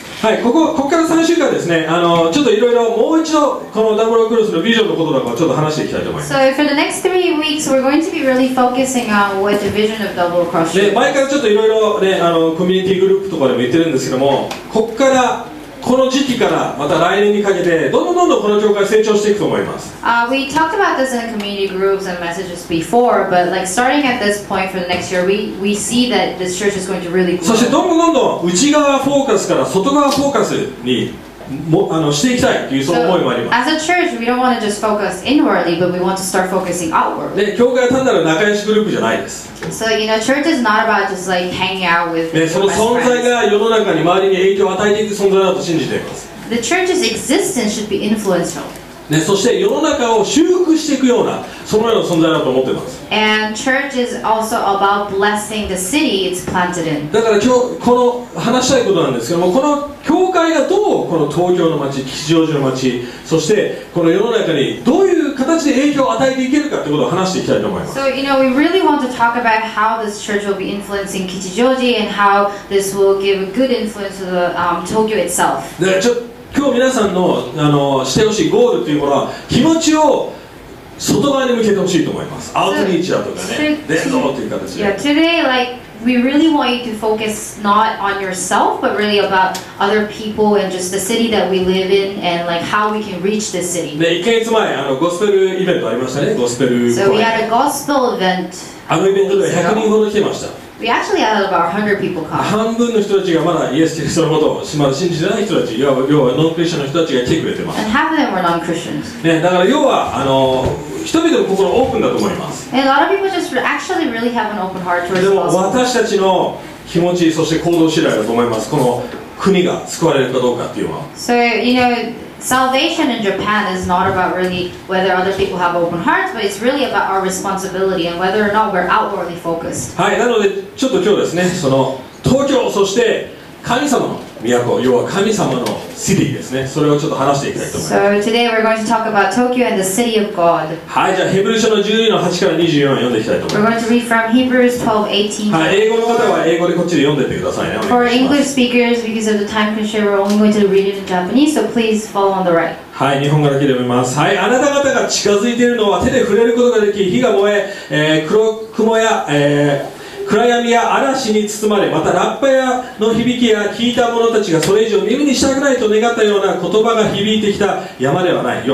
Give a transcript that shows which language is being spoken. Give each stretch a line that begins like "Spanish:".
Japanese: はい、ここから3週間ですね、ちょっといろいろもう一度このダブルクロスのビジョンのこととかをちょっと話していきたいと思います。
English: So for the next 3 weeks, we're going to be really focusing on what the vision of Double Cross
Japanese: で、前からちょっといろいろね、コミュニティグループとかでも言ってるんですけども、ここからこの時期からまた来年にかけてどんどんこの教会成長していくと思います。
English: We talked about this in community groups and messages before, but like starting at this point for the next year, we see that this church is going to really grow.
Japanese: そしてどんどん内側フォーカスから外側フォーカスにもしていきたいというその思いもあります。
English: As a church, we don't want to just focus inwardly, but we want to start focusing outward.
Japanese: ね、教会は単なる仲良しグループじゃないです。
English: So you know, church is not about just like hanging out with best friends. ね、
Japanese: その存在が世の中に周りに影響を与えていく存在だと信じています。
English: The church's existence should be influential.
Japanese: ね、そして世の中を修復していくようなそのような存在だと思っています。
English: And church is also about blessing the city it's planted in.
Japanese: だから今日この話したいことなんですけども、この教会がどうこの東京の街、吉祥寺の街、そしてこの世の中にどういう形で影響を与えていけるかということを話していきたいと思います。
English: So, you know, we really want to talk about how this church will be influencing Kichijoji and how this will give a good influence to the, Tokyo itself.
Japanese: 今日皆さんの、してほしいゴールというものは気持ちを外側に向けてほしいと思います。アウトリーチだとかね、伝道という形で。
English: Yeah, today, like,We really want you to focus not on yourself, but really about other people and just the city that we live in and like how we can reach this city.
Japanese: ね、1ヶ月前、ゴスペルイベントありましたね、ゴスペル。
English: So we had a gospel event.
Japanese: あのイベントでは100人ほど来てました。
English: We actually had about 100 people come.
Japanese: 半分の人たちがまだイエス・キリストのことをまだ信じてない人たち、要はノンクリスチャンの人たちが来てくれてます。
English: And half of them were non-Christians.
Japanese: ね、だから要は、人々の心オープンだと思います。
English: And a lot of people just actually really have an open heart towards the gospel.
Japanese: でも私たちの気持ち、そして行動次第だと思います。この国が救われるかどうかっていうのは。
English: So, you know, salvation in Japan is not about really whether other people have open hearts, but it's really about our responsibility and whether or not we're outwardly focused.
Japanese: はい、なのでちょっと今日ですね、その東京、そして神様の都、要は神様のシティですね、それをちょっと話していきたいと思います。
English: So today we're going to talk about Tokyo and the city of God.
Japanese: はい、じゃあヘブル書の12の8から24を読んでいきたいと思います。
English: We're going to read from Hebrews 12:18.
Japanese: はい、英語の方は英語でこっちで読んでてくださいね。
English: For English speakers, because of the time constraint, we're only going to read it in Japanese, so please follow on the right.
Japanese: はい、日本語だけで読みます。はい、あなた方が近づいているのは手で触れることができ、火が燃え、黒雲や、暗闇や嵐に包まれ、またラッパやの響きや聞いた者たちがそれ以上耳にしたくないと願ったような言葉が響いてきた山ではない。